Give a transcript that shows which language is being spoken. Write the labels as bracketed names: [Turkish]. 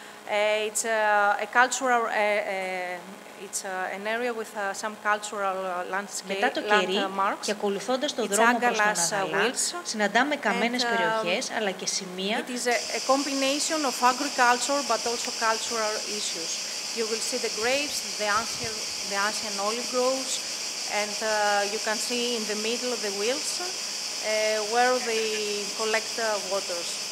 [English] It's a cultural, it's an area with some cultural landscape, [Greek] μετά το κερί και ακολουθώντας τον δρόμο προς τον Αγαλά, συναντάμε καμένες περιοχές, αλλά και σημεία. [English] It is a combination of agriculture, but also cultural issues. You will see the grapes, the ancient olive groves, and you can see in the middle of the wheels where they collect waters.